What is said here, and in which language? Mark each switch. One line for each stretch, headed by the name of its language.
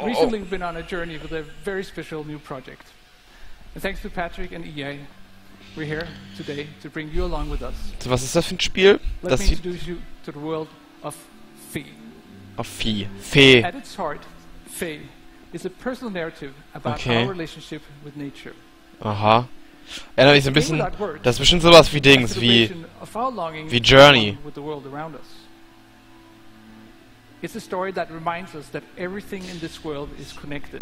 English: Recently, we've been on a journey with a very special new project, and thanks to Patrick and EA. We're here today to bring you along with us.
German: So, was ist das für ein Spiel?
English: Let me introduce you to the world of Fee. Of Fee. Fee. At its heart, Fee is a personal narrative about our relationship with nature. Aha.
German: Erinnert mich so ein bisschen, das ist bestimmt sowas wie Dings, wie Journey.
English: With the world around us. It's a story that reminds us that everything in this world is connected.